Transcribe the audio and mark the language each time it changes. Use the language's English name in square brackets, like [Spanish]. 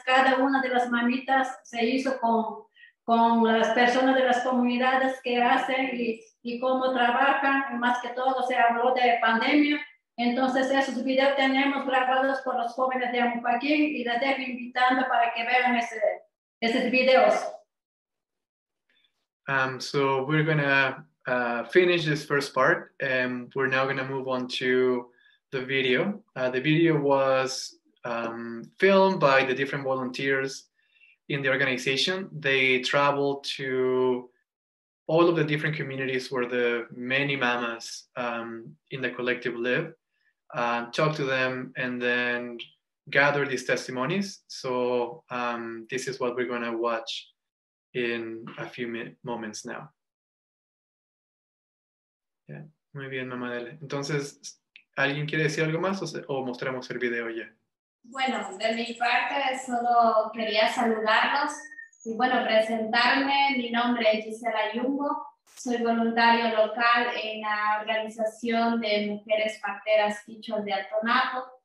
[Spanish] Cada una de las mamitas se hizo con las personas de las comunidades que hacen y cómo trabajan. Más que todo se habló de pandemia. Entonces esos videos tenemos grabados por los jóvenes de Ampaquín y les dejo invitando para que vean esos videos. [English] So we're going to finish this first part, and we're now going to move on to the video. The video was filmed by the different volunteers in the organization. They traveled to all of the different communities where the many mamas in the collective live, talked to them, and then gathered these testimonies. So this is what we're going to watch in a few moments now. [Spanish] Yeah, muy bien, mamá Adele. Entonces, ¿alguien quiere decir algo más o mostramos el video ya? Bueno, de mi parte solo quería saludarlos y bueno, presentarme. Mi nombre es Gisela Yungo, soy voluntario local en la organización de mujeres parteras Quichos de Atonapo.